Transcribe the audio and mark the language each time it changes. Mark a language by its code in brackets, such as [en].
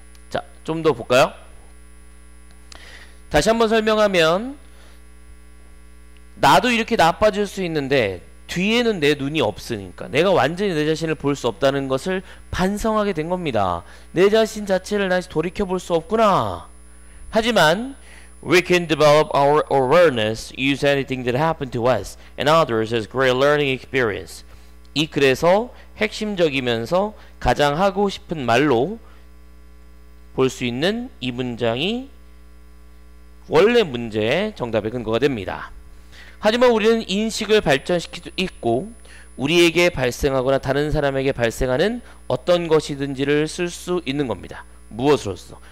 [ko] 자, 좀 더 볼까요? 다시 한번 설명하면 나도 이렇게 나빠질 수 있는데 뒤에는 내 눈이 없으니까 내가 완전히 내 자신을 볼 수 없다는 것을 반성하게 된 겁니다. 내 자신 자체를 다시 돌이켜볼 수 없구나. 하지만 [en] We can develop our awareness, use anything that happened to us and others as great learning experience. [ko] 이 글에서 핵심적이면서 가장 하고 싶은 말로 볼 수 있는 이 문장이 원래 문제의 정답의 근거가 됩니다. 하지만 우리는 인식을 발전시킬 수 있고 우리에게 발생하거나 다른 사람에게 발생하는 어떤 것이든지를 쓸 수 있는 겁니다. 무엇으로써?